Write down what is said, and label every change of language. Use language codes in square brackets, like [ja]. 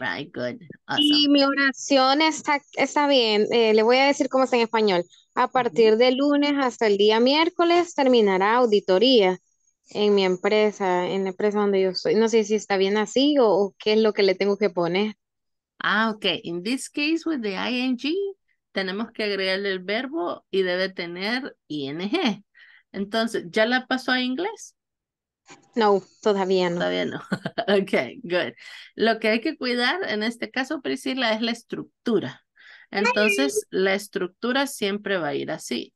[en] All right, good. Awesome. [es] Y mi oración está bien. Le voy a decir cómo está en español. A partir de lunes hasta el día miércoles terminará auditoría en mi empresa, en la empresa donde yo estoy. No sé si está bien así o qué es lo que le tengo que poner. [en] Ah, okay. In this case with the ING, [es] tenemos que agregarle el verbo y debe tener ing. Entonces, ¿ya la pasó a inglés? No, todavía no. Todavía no. [en] Ok, good. [es] Lo que hay que cuidar en este caso, Priscila, es la estructura. Entonces, la estructura siempre va a ir así.